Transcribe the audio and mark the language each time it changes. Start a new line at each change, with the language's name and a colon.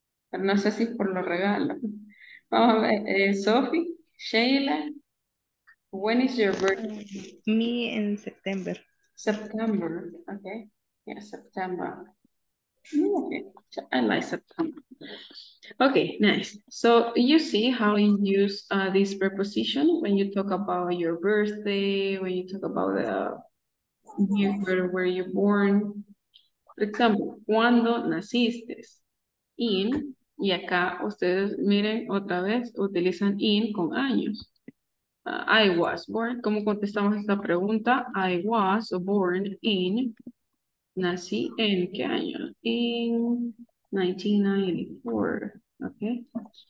Spanish: Pero no sé si es por los regalos. Vamos a ver, Sophie, Sheila,
English: when is your birthday? Me in September. September, okay. Yeah, September. Okay, I like September. Okay, nice. So you see how you use this preposition when you talk about your birthday, when you talk about the year where you're born. For example,
Spanish: ¿cuándo naciste? In, y acá ustedes miren otra vez, utilizan in con años.
English: I was born.
Spanish: ¿Cómo contestamos esta pregunta?
English: I was born in.
Spanish: Nací en qué año? In 1994. Ok.